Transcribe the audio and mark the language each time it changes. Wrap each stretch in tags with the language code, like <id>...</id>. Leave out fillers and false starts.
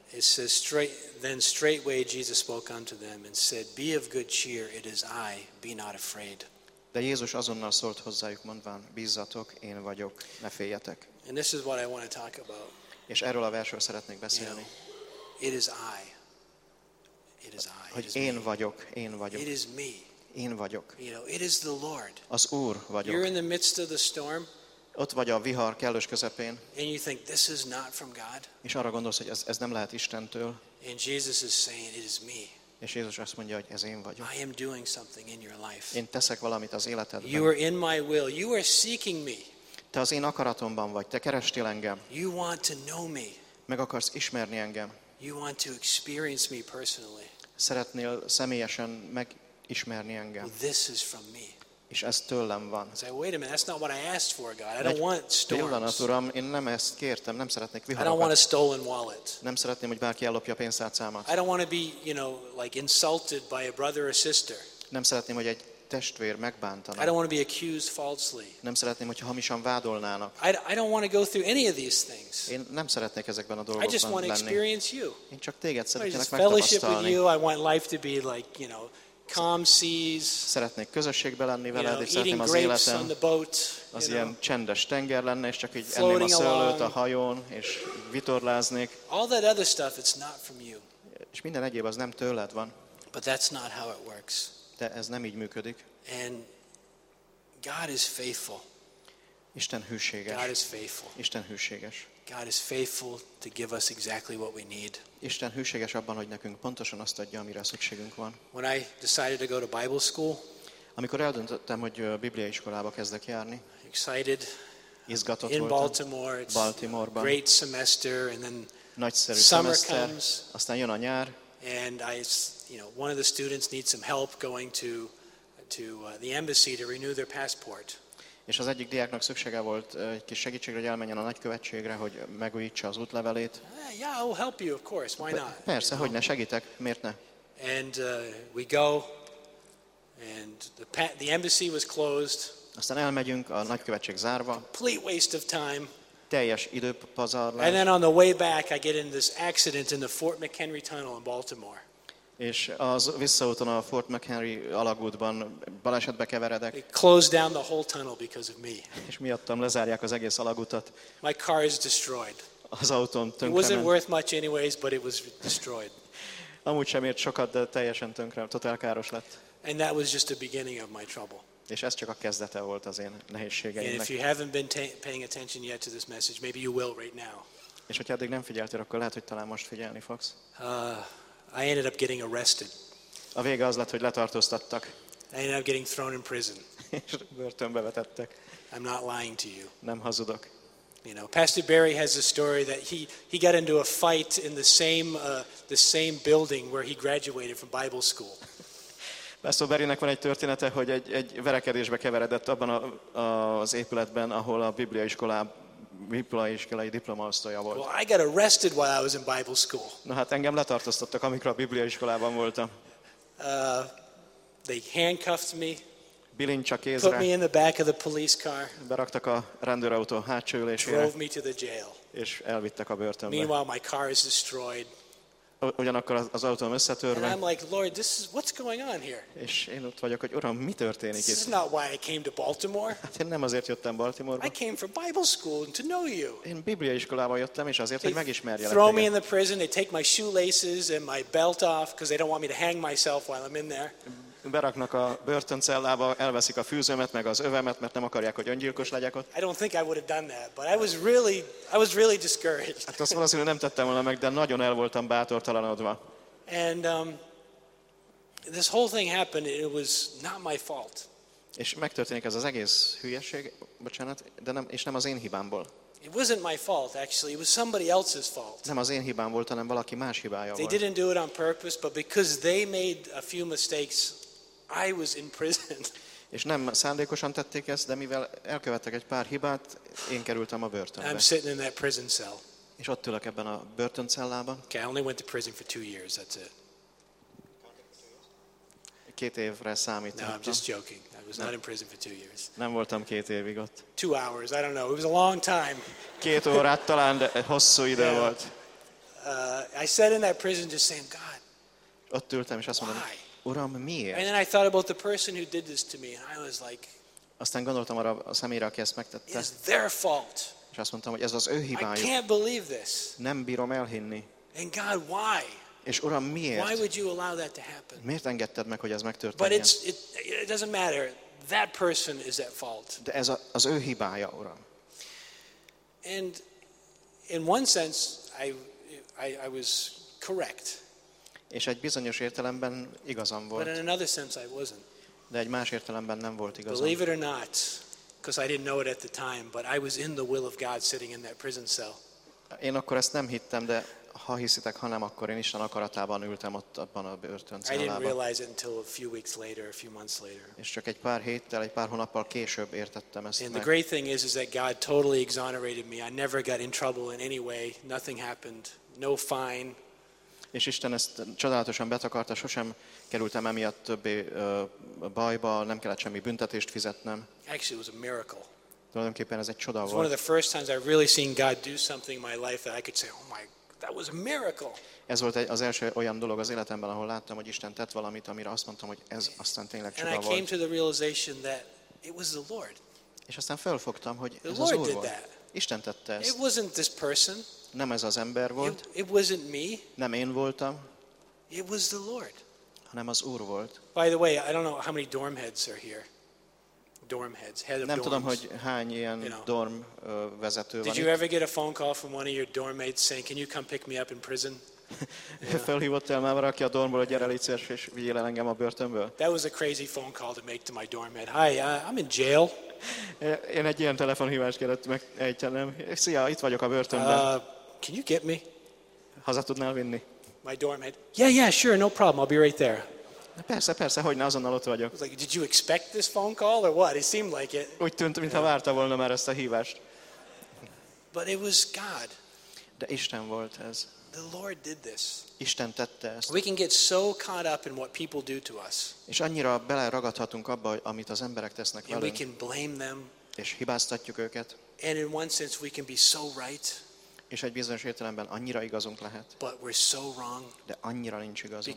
<en>It says, straightway Jesus spoke unto them and said, be of good cheer, it is I, be not afraid.</en> <hu>De Jézus azonnal szólt hozzájuk mondván, bízzatok, én vagyok, ne féljetek.</hu> <en>And this is what I want to talk about.</en> <hu>És erről a versről szeretnék beszélni.</hu> <en>It is I. It is I.</en> <hu>Hogy én vagyok, én vagyok.</hu> <en>It is me.</en> <hu>Én vagyok.</hu> <en>You know, it is the Lord.</en> <hu>Az Úr vagyok.</hu> <en>You're in the midst of the storm.</en> <hu>Ott vagy a vihar kellős közepén.</hu> <en>And you think this is not from God.</en> <hu>És arra gondolsz, hogy ez nem lehet Istentől.</hu> <en>And Jesus is saying it is me.</en> <hu>És Jézus azt mondja, hogy ez én vagyok.</hu> <en>I am doing something in your life.</en> <hu>Én teszek valamit az életedben.</hu> <en>You are in my will. You are seeking me.</en> <hu>Te az én akaratomban vagy. Te kerestél engem.</hu> <en>You want to know me.</en> <hu>Meg akarsz ismerni engem.</hu> <en>You want to experience me personally.</en> <hu>Szeretnél személyesen megismerni engem.</hu> <en>Well, this is from me.</en> <hu>És ez tőlem van.</hu> <en>Say, wait a minute, that's not what I asked for, God. I don't want storms.</en> <hu>Pillanat, Uram, én nem ezt kértem, nem szeretnék viharokat.</hu> <en>I don't want a stolen wallet.</en> <hu>Nem szeretném, hogy bárki ellopja pénztárcámat.</hu> <en>I don't want to be, you know, like insulted by a brother or sister.</en> <hu>Nem szeretném, hogy egy testvér megbántana.</hu> <en>I don't want to be accused falsely.</en> <hu>Nem szeretném, hogyha hamisan vádolnának.</hu> <en>I don't want to go through any of these things.</en> <hu>Én nem szeretnék ezekben a dolgokban lenni.</hu> <en>I just want to experience you.</en> <hu>Én csak téged szeretnék megtapasztalni.</hu> <en>Fellowship with you. I want life to be like, you know, calm seas.</en> <hu>Szeretnék közösségbe lenni veled,</hu> <en>you know,</en> <hu>és szeretném az életem.</hu> <en>On the boat,</en> <hu>az ilyen csendes tenger lenne, és csak így enném a szőlőt a hajón, és vitorláznék.</hu> <en>All that other stuff, it's not from you.</en> <hu>És minden egyéb az nem tőled van.</hu> <en>But that's not how it works.</en> <hu>De ez nem így működik.</hu> <en>And God is faithful.</en> <hu>Isten hűséges.</hu> <en>God is faithful.</en> <hu>Isten hűséges.</hu> <en>God is faithful to give us exactly what we need.</en> <hu>Isten hűséges abban, hogy nekünk pontosan azt adja, amire szükségünk van.</hu> <en>When I decided to go to Bible school,</en> <hu>amikor eldöntöttem, hogy Biblia iskolába kezdek járni,</hu> <en>excited,</en> <hu>izgatott voltam.</hu> <en>In Baltimore, it's</en> <hu>Baltimore-ban.</hu> <en>Great semester, and then</en> <hu>nagyszerű</hu> <en>summer</en> <hu>semester,</hu> <en>comes,</en> <hu>aztán jön a nyár.</hu> <en>And I, you know, one of the students needs some help going to the embassy to renew their passport.</en> <hu>És az egyik diáknak szüksége volt egy kis segítségre, hogy elmenjen a nagykövetségre, hogy megújítsa az útlevelét.</hu> <en>Yeah, I'll help you, of course. Why not?</en> <hu>Persze, hogy ne segítek, miért ne?</hu> <en>And we go, and the embassy was closed.</en> <hu>Aztán elmegyünk, a nagykövetség zárva.</hu> <en>Complete waste of time.</en> <hu>Teljes időpazarlás.</hu> <en>And then on the way back, I get in this accident in the Fort McHenry tunnel in Baltimore.</en> <hu>És az visszaúton a Fort McHenry alagútban balesetbe keveredek.</hu> <en>They closed down the whole tunnel because of me.</en> <hu>És miattam lezárják az egész alagutat.</hu> <en>My car is destroyed.</en> <hu>Az autóm tönkrement.</hu> <en>It wasn't worth much anyways, but it was destroyed.</en> <hu>Amúgy sem ért sokat, de teljesen tönkre, totál káros lett.</hu> <en>And that was just the beginning of my trouble.</en> <hu>És ez csak a kezdete volt az én nehézségeimnek.</hu> <en>And if you haven't been paying attention yet to this message, maybe you will right now.</en> <hu>És hogyha eddig nem figyeltél, akkor lehet, hogy talán most figyelni fogsz.</hu> <en>I ended up getting arrested.</en> <hu>A vége az lett, hogy letartóztattak.</hu> <en>I ended up getting thrown in prison.</en> <hu>És börtönbe vetettek.</hu> <en>I'm not lying to you.</en> <hu>Nem hazudok.</hu> <en>You know, Pastor Barry has a story that he got into a fight in the same building where he graduated from Bible school.</en> <hu>Pastor Barrynek van egy története, hogy egy verekedésbe keveredett abban az épületben, ahol a bibliaiskolai diplomaosztója volt.</hu> <en>Well, I got arrested while I was in Bible school.</en> <hu>Na hát engem letartóztattak, amikor a bibliaiskolában voltam.</hu> <en>They handcuffed me.</en> <hu>Bilincsa kézre.</hu> <en>Put me in the back of the police car.</en> <hu>Beraktak a rendőrautó hátsó ülésére.</hu> <en>Drove me to the jail.</en> <hu>És elvittek a börtönbe.</hu> <en>Meanwhile, my car is destroyed.</en> <hu>Ugyanakkor az autóm összetörve.</hu> <en>And I'm like, Lord, this is what's going on here.</en> <hu>És én ott vagyok, hogy Uram, mi történik</hu> <en>this</en> <hu>itt?</hu> <en>This is not why I came to Baltimore.</en> <hu>Hát én nem azért jöttem Baltimore-ba.</hu> <en>I came for Bible school to know you.</en> <hu>Én bibliaiskolába jöttem, és azért, hogy megismerjelek.</hu> <en>Throw me in the prison. They take my shoelaces and my belt off because they don't want me to hang myself while I'm in there.</en> <hu>Beraknak a börtöncellába, elveszik a fűzőmet meg az övemet, mert nem akarják, hogy öngyilkos legyek ott.</hu> <en>I don't think I would have done that, but I was really discouraged.</en> <hu>Hát azt valószínűleg nem tettem volna meg, de nagyon el voltam bátortalanodva.</hu> <en>And this whole thing happened, it was not my fault.</en> <hu>És megtörténik ez az egész hülyeség, bocsánat, de nem, és nem az én hibámból.</hu> <en>It wasn't my fault actually, it was somebody else's fault.</en> <hu>Nem az én hibám volt, hanem valaki más hibája volt.</hu> <en>They didn't do it on purpose, but because they made a few mistakes, I was in prison.</en> <hu>És nem szándékosan tették ezt, de mivel elkövettek egy pár hibát, én kerültem a börtönbe.</hu> <en>I'm sitting in that prison cell.</en> <hu>És ott ülök ebben a börtöncellában.</hu> <en>Okay, I only went to prison for 2 years, that's it.</en> <hu>Két évre számít.</hu> <en>No, I'm just joking. I was not in prison for 2 years.</en> <hu>Nem voltam két évig ott.</hu> <en>2 hours, I don't know. It was a long time.</en> <hu>Két órát talán, de hosszú idő volt.</hu> <en>I sat in that prison just saying, God.</en> <hu>Ott ültem és azt mondtam, Uram, miért?</hu> <en>And then I thought about the person who did this to me, and I was like,</en> <hu>aztán gondoltam arra a személyre, aki ezt megtette.</hu> <en>It's their fault.</en> <hu>És azt mondtam, hogy ez az ő hibájuk.</hu> <en>I can't believe this.</en> <hu>Nem bírom elhinni.</hu> <en>And God, why?</en> <hu>És Uram, miért?</hu> <en>Why would you allow that to happen?</en> <hu>Miért engedted meg, hogy ez megtörténjen?</hu> <en>But it doesn't matter. That person is at fault.</en> <hu>De ez az ő hibája, Uram.</hu> <en>And in one sense, I was correct.</en> <hu>És egy bizonyos értelemben igazam volt.</hu> <en>But in another sense, I wasn't.</en> <hu>De egy más értelemben nem volt igazam.</hu> <en>Believe it or not, because I didn't know it at the time, but I was in the will of God sitting in that prison cell.</en> <hu>Én akkor ezt nem hittem, de ha hiszitek, ha nem, akkor én Isten akaratában ültem ott abban a börtöncellában.</hu> <en>I didn't realize it until a few weeks later, a few months later.</en> <hu>És csak egy pár héttel, egy pár hónappal később értettem ezt.</hu> <en>And the great thing is that God totally exonerated me. I never got in trouble in any way. Nothing happened. No fine.</en> <hu>És Isten ezt csodálatosan betakarta, sosem kerültem emiatt többé bajba, nem kellett semmi büntetést fizetnem.</hu> <en>Actually, it was a miracle.</en> <hu>Tulajdonképpen ez egy csoda volt.</hu> <en>It was one of the first times I've really seen God do something in my life that I could say, oh my, that was a miracle.</en> <hu>Ez volt az első olyan dolog az életemben, ahol láttam, hogy Isten tett valamit, amire azt mondtam, hogy ez aztán tényleg csoda volt.</hu> <en>And I came to the realization that it was the Lord.</en> <hu>És aztán felfogtam, hogy</hu> <en>the</en> <hu>ez</hu> <en>Lord</en> <hu>az Úr</hu> <en>did</en> <hu>volt.</hu> <en>That.</en> <hu>Isten tette ezt.</hu> <en>It wasn't this person.</en> <hu>Nem ez az ember volt.</hu> <en>It wasn't me.</en> <hu>Nem én voltam.</hu> <en>It was the Lord.</en> <hu>Hanem az Úr volt.</hu> <en>By the way, I don't know how many dorm heads are here. Dorm heads, head of dorms.</en> <hu>Nem tudom, hogy hány ilyen dorm vezető van.</hu> <en>Did you ever get a phone call from one of your dorm mates saying, "Can you come pick me up in prison?"</en> <hu>Felhívott el már valaki a dormból, hogy gyere légy szíves, és vigyél el engem a börtönből.</hu> <en>That was a crazy phone call to make to my dorm head. Hi, I'm in jail.</en> <hu>Én egy ilyen telefonhívást kellett megejtenem. Szia, itt vagyok a börtönben.</hu> <en>Can you get me?</en> <hu>Haza tudnál vinni?</hu> <en>My dorm head. Yeah, sure, no problem. I'll be right there.</en> <hu>Persze, hogy ne, azonnal ott vagyok.</hu> <en>I was like, did you expect this phone call or what? It seemed like it.</en> <hu>Úgy tűnt, mintha várta volna már ezt a hívást.</hu> <en>But it was God.</en> <hu>De Isten volt ez.</hu> <en>The Lord did this.</en> <hu>Isten tette ezt.</hu> <en>We can get so caught up in what people do to us.</en> <hu>És annyira beleragadhatunk abba, amit az emberek tesznek velünk.</hu> <en>And we can blame them.</en> <hu>És hibáztatjuk őket.</hu> <en>And in one sense, we can be so right.</en> <hu>És egy bizonyos értelemben annyira igazunk lehet.</hu> <en>But we're so wrong.</en> <hu>De annyira nincs igazunk.</hu>